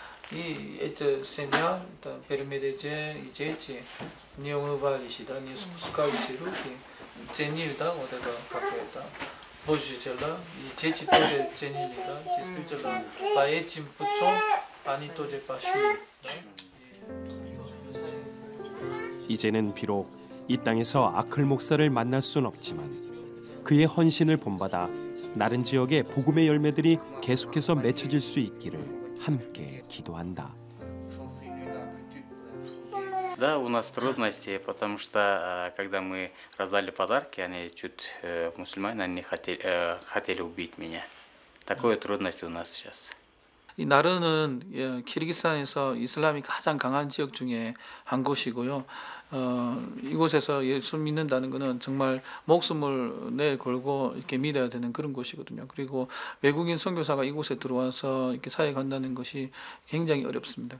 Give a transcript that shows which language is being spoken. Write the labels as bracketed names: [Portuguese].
[Russian] И эта семья, Пермедете и дети не унывались, да, не спускались руки, ценили, да, вот это какое-то Божье дело. И дети тоже ценили, да, действительно, по этим путем они тоже пошли. Да. [Korean] 이제는 비록 이 땅에서 아클 목사를 만날 순 없지만 그의 헌신을 본받아 나른 지역의 복음의 열매들이 계속해서 맺혀질 수 있기를 함께 기도한다. [Russian] Да, у нас трудности, потому что когда мы раздали подарки, они чуть мусульмане, они хотели убить меня. Такая трудность у нас сейчас. [Korean] 이 나른은 키르기스탄에서 이슬람이 가장 강한 지역 중에 한 곳이고요. 이곳에서 예수 믿는다는 것은 정말 목숨을 내걸고 이렇게 믿어야 되는 그런 곳이거든요. 그리고 외국인 선교사가 이곳에 들어와서 이렇게 사역한다는 것이 굉장히 어렵습니다.